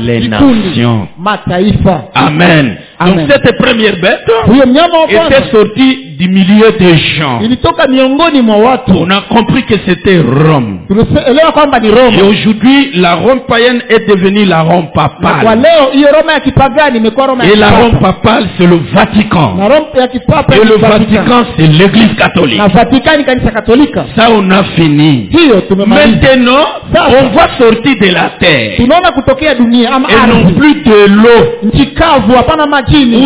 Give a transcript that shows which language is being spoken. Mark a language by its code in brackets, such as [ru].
[fr] les nations. [sw] Mataifa. Amen. Amen. [fr] Donc cette première bête était sortie du milieu des gens. [sw] Ilitoka miongoni mwa watu. [fr] On a compris que c'était Rome. [sw] Tulielewa kwamba ni Rome. [fr] Et aujourd'hui la Rome païenne est devenue la Rome papale. [sw] Kwa leo hiyo Roma ya kipagani imekuwa Roma ya [fr] kipapa. Et la Rome papale c'est le Vatican. [sw] Na Rome ya kipapa ni Vatican. [fr] C'est l'Église catholique. [sw] Na Vatican ni kanisa katolika. [fr] Ça on a fini. [sw] Hiyo tumemaliza. [fr] Maintenant [sw] sasa, [fr] on va sortir de la terre. [sw] Tunaona kutokea dunia ama ardhi. [fr] Et non plus de l'eau. [sw] Nchi kavu hapana majini.